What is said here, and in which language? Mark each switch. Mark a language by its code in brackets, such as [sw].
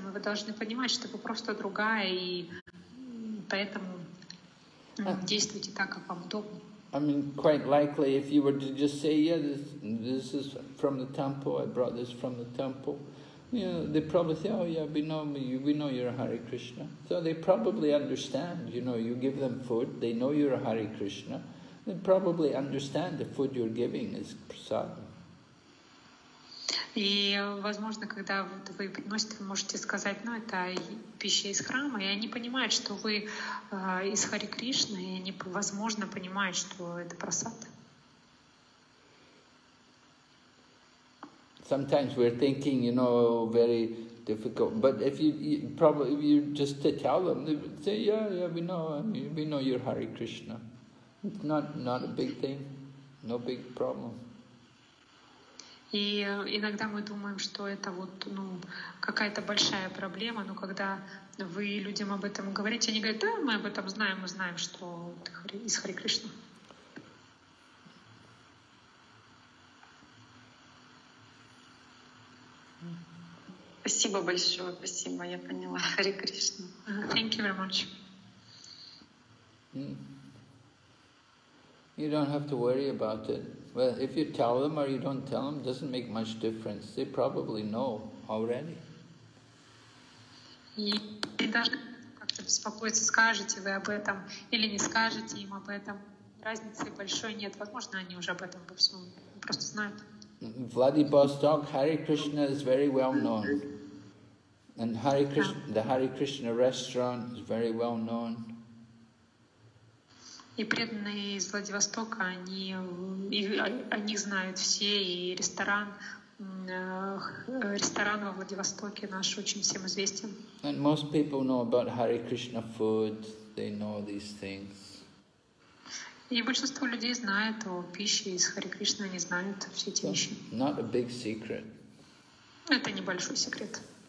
[ru] Вы должны понимать, что вы просто другая, и поэтому действуйте так, как вам удобно. [en] I mean, quite likely, if you were to just say, yeah, this is from the temple, I brought this from the temple, you know, they probably say, oh yeah, we know you're a Hare Krishna. So they probably understand, you know, you give them food, they know you're a Hare Krishna, they probably understand the food you're giving is prasad. [ru] И, возможно, когда вы приносите, вы можете сказать, ну, это пища из храма, и они понимают, что вы из Хари Кришны, и они, возможно, понимают, что это прасад. [en] Sometimes we're thinking, you know, very difficult, but if you just to tell them, they would say, yeah, we know you're Hari Krishna. It's not a big thing, no big problem. [ru] И иногда мы думаем, что это вот, ну, какая-то большая проблема, но когда вы людям об этом говорите, они говорят, да, мы об этом знаем, мы знаем, что ты из Хари Кришна. Спасибо большое, спасибо, я поняла. Хари Кришна. [en] Thank you very much. You don't have to worry about it. Well, if you tell them or you don't tell them, it doesn't make much difference. They probably know already. [ru] И даже как-то беспокоиться, скажете вы об этом или не скажете им об этом, разницы большой нет. Возможно, они уже об этом просто знают. [en] Владивосток, Hare Krishna is very well known. And Hare Krishna, the Hare Krishna restaurant is very well known. [ru] И преданные из Владивостока, они о них знают все, и ресторан во Владивостоке наш очень всем известен. [en] And most people know about Hare Krishna food, they know these things. [ru] И большинство людей знают о пище из Харе Кришны, они знают все эти вещи. [en] Not a big secret. [ru] Это небольшой секрет.